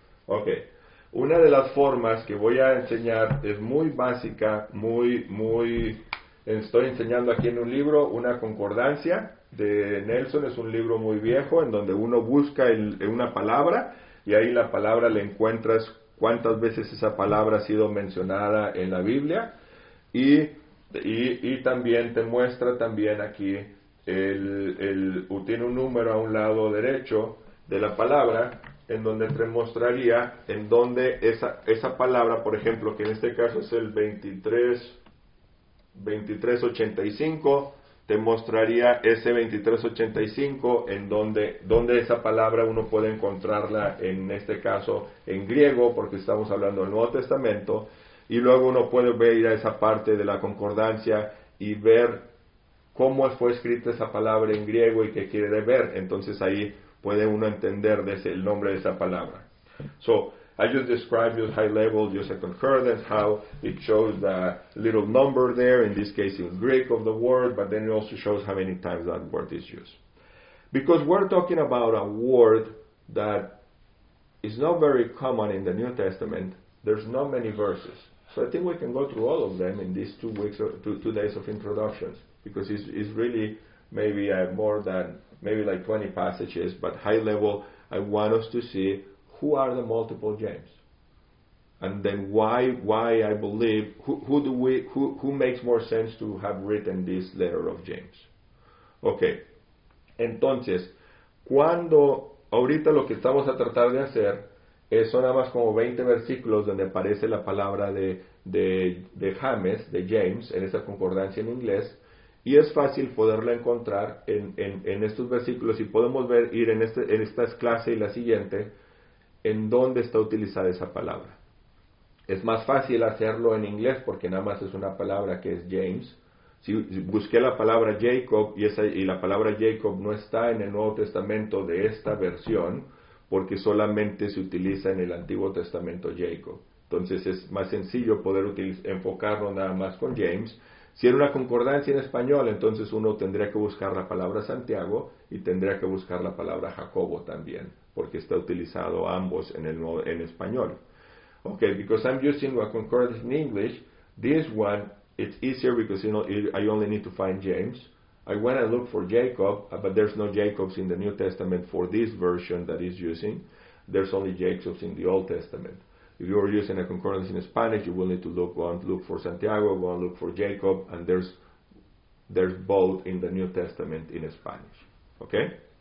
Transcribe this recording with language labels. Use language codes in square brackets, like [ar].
[es] Okay, una de las formas que voy a enseñar es muy básica, muy. Estoy enseñando aquí en un libro una concordancia de Nelson, es un libro muy viejo en donde uno busca una palabra y ahí la palabra le encuentras cuántas veces esa palabra ha sido mencionada en la Biblia y también te muestra también aquí el tiene un número a un lado derecho de la palabra en donde te mostraría en donde esa palabra, por ejemplo, que en este caso es el 2385, te mostraría ese 2385 en donde esa palabra uno puede encontrarla, en este caso en griego, porque estamos hablando del Nuevo Testamento, y luego uno puede ir a esa parte de la concordancia y ver cómo fue escrita esa palabra en griego y qué quiere ver. Entonces ahí puede uno entender el nombre de esa palabra. [en] So, I just described the high level, just a concordance, how it shows the little number there, in this case in Greek, of the word, but then it also shows how many times that word is used. Because we're talking about a word that is not very common in the New Testament, there's not many verses. So I think we can go through all of them in these 2 weeks or 2 days of introductions, because it's really maybe more than maybe like 20 passages, but high level, I want us to see who are the multiple James, and then why I believe who makes more sense to have written this letter of James. [es] Okay, entonces, cuando ahorita lo que estamos a tratar de hacer son nada más como 20 versículos donde aparece la palabra de James, de James, en esa concordancia en inglés, y es fácil poderla encontrar en estos versículos, y podemos ver, ir en esta clase y la siguiente, en dónde está utilizada esa palabra. Es más fácil hacerlo en inglés porque nada más es una palabra que es James. Si busqué la palabra Jacob y la palabra Jacob no está en el Nuevo Testamento de esta versión, porque solamente se utiliza en el Antiguo Testamento Jacob. Entonces es más sencillo poder enfocarlo nada más con James. Si era una concordancia en español, entonces uno tendría que buscar la palabra Santiago y tendría que buscar la palabra Jacobo también, porque está utilizado ambos en español. [en] Okay, because I'm using a concordance in English, this one, it's easier because you know I only need to find James. I went and looked for Jacob, but there's no Jacobs in the New Testament for this version that he's using. There's only Jacobs in the Old Testament. If you are using a concordance in Spanish, you will need to look, go and look for Santiago, go and look for Jacob, and there's both in the New Testament in Spanish. Okay?